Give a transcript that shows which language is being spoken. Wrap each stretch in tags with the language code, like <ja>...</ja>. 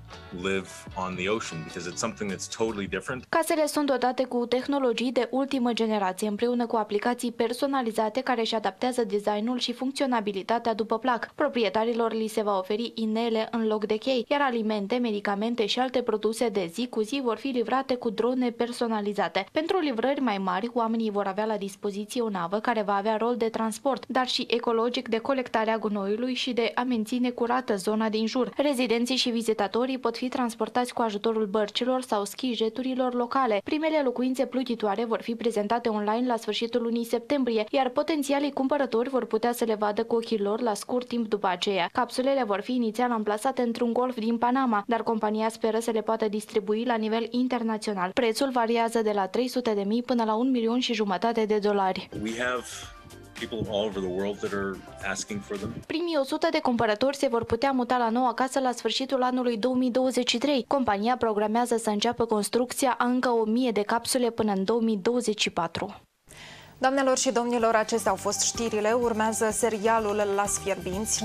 <en>Live on the ocean because it's something that's totally different.</en> <ro>Casele sunt dotate cu tehnologii de ultimă generație împreună cu aplicații personalizate care își adaptează designul și funcționabilitatea după plac. Proprietarilor li se va oferi inele în loc de chei, iar alimente, medicamente și alte produse de zi cu zi vor fi livrate cu drone personalizate. Pentru livrări mai mari, oamenii vor avea la dispoziție o navă care va avea rol de transport, dar și ecologic de colectarea gunoiului și de a menține curată zona din jur. Rezidenții și vizitatorii pot fi transportați cu ajutorul bărcilor sau ski-jeturilor locale. Primele locuințe plutitoare vor fi prezentate online la sfârșitul lunii septembrie, iar potențialii cumpărători vor putea să le vadă cu ochii lor la scurt timp după aceea. Capsulele vor fi inițial amplasate într-un golf din Panama, dar compania speră să le poată distribui la nivel internațional. Prețul variază de la 300.000 până la 1,5 milioane de dolari.</ro> <en>People all over the world that are asking for them.</en> <ro>Primii 100 de cumpărători se vor putea muta la noua casă la sfârșitul anului 2023. Compania programează să înceapă construcția a încă 1000 de capsule până în 2024. Doamnelor și domnilor, acestea au fost știrile. Urmează serialul Las Fierbinți.</ro>